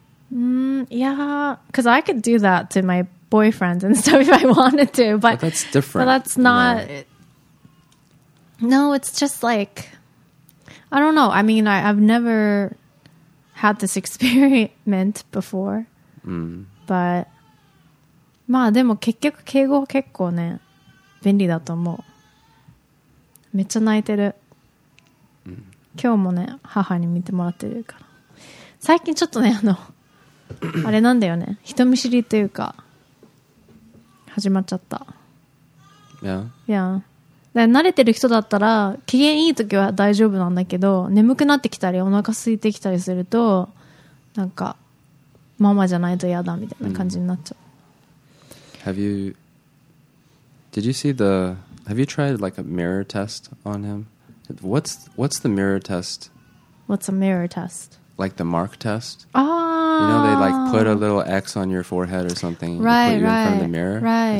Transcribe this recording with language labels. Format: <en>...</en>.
<en>Yeah, because I could do that to my boyfriends and stuff if I wanted to, but that's different. But that's not... No, it's just like... I don't know. I mean, I've never had this experiment before. But...</en> <ja>まあでも結局敬語は結構ね、便利だと思う。めっちゃ泣いてる。今日もね、母に見てもらってるから。最近ちょっとね、あれなんだよね。人見知りというか、始まっちゃった。</ja> <en>Yeah.</en> <ja>で慣れてる人だったら機嫌いい時は大丈夫なんだけど、眠くなってきたりお腹空いてきたりするとなんかママじゃないと嫌だみたいな感じになっちゃう。</ja> <en>Have you tried like a mirror test on him? What's the mirror test? What's a mirror test? Like the mark test? Ah. You know, they like put a little X on your forehead or something. Right, put you right, in front of the mirror. Right.</en>